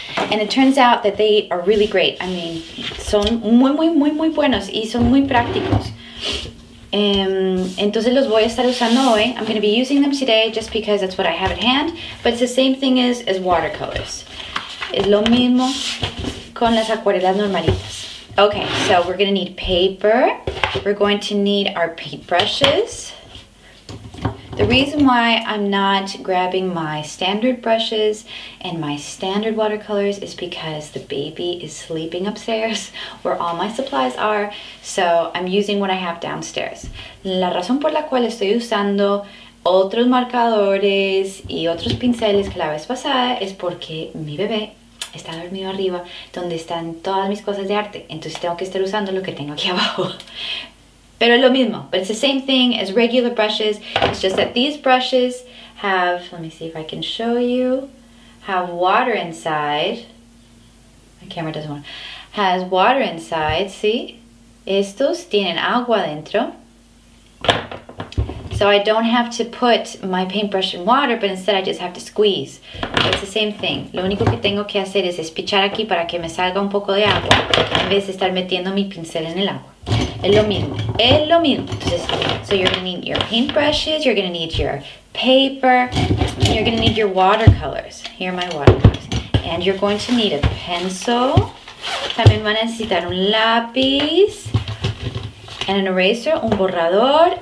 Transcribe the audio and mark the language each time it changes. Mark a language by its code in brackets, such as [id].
[en] And it turns out that they are really great. I mean, [es] son muy, muy, muy, muy buenos y son muy prácticos. Entonces los voy a estar usando hoy. [en] I'm going to be using them today just because that's what I have at hand. But it's the same thing as watercolors. [es] Es lo mismo con las acuarelas normalitas. [en] Okay, so we're going to need paper. We're going to need our paintbrushes. The reason why I'm not grabbing my standard brushes and my standard watercolors is because the baby is sleeping upstairs where all my supplies are, so I'm using what I have downstairs. [es] La razón por la cual estoy usando otros marcadores y otros pinceles que la vez pasada es porque mi bebé está dormido arriba donde están todas mis cosas de arte, entonces tengo que estar usando lo que tengo aquí abajo. Pero es lo mismo, [en] but it's the same thing as regular brushes. It's just that these brushes have, let me see if I can show you, have water inside. My camera doesn't want to. Has water inside, see? [es] Estos tienen agua dentro. [en] So I don't have to put my paintbrush in water, but instead I just have to squeeze. But it's the same thing. [es] Lo único que tengo que hacer es espichar aquí para que me salga un poco de agua, en vez de estar metiendo mi pincel en el agua. Es lo mismo. Es lo mismo. [en] Entonces, so you're going to need your paintbrushes, you're going to need your paper, and you're going to need your watercolors. Here are my watercolors. And you're going to need a pencil. [es] También van a necesitar un lápiz. [en] And an eraser, [es] un borrador.